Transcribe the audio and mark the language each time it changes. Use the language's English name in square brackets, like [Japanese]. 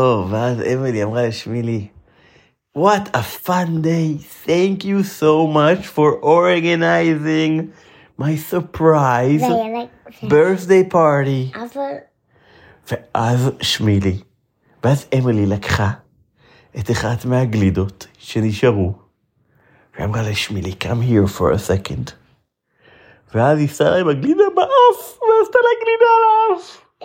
[Hebrew] ואז אמילי אמרה לשמילי, [English] what a fun day. Thank you so much for organizing my surprise birthday party. [Hebrew] ואז שמילי, ואז אמילי לקחה את אחת מהגלידות שנשארו, ואמרה לשמילי, [English] come here for a second. [Hebrew] ואז היא שרה עם הגלידה באף, ועשתה לה גלידה על האף.